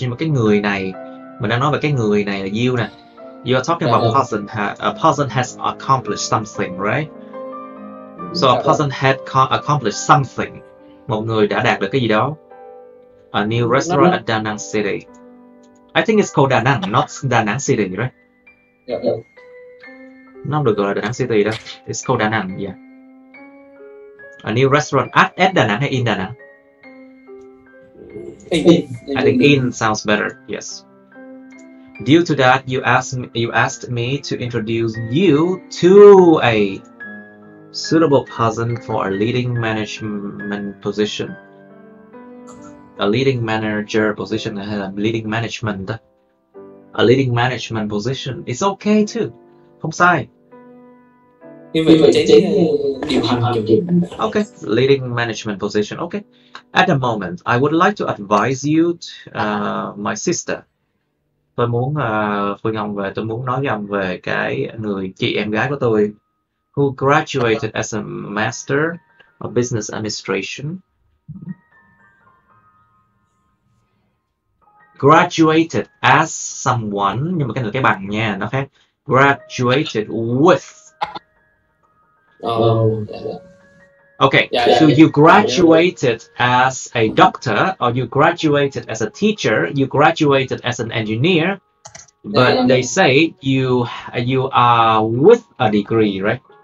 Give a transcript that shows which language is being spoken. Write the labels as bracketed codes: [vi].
[vi] Nhưng mà cái người này, mình đang nói về cái người này là you nè. [en] You are talking about person. A person has accomplished something, right? So a person had accomplished something. [vi] Một người đã đạt được cái gì đó. [en] A new restaurant at Da Nang City. I think it's called Da Nang, not Da Nang City, right? Yeah. [vi] Nó được gọi là Da Nang City đó. [en] It's called Da Nang, yeah. A new restaurant at Da Nang hay in Da Nang? In. I think in sounds better. Yes. Due to that, you asked me to introduce you to a suitable person for a leading management position. A leading manager position, a leading management position. It's okay too. [vi] Không sai. [en] Okay, leading management position. Okay. At the moment, I would like to advise you to my sister. [vi] Tôi muốn phương ông về, tôi muốn nói với ông về cái người chị em gái của tôi [en] who graduated as a master of business administration. Graduated as someone, [vi] nhưng mà cái này là cái bằng nha, nó khác. [en] Graduated with. Okay, so you graduated as a doctor, or you graduated as a teacher, you graduated as an engineer, but they say you are with a degree, right?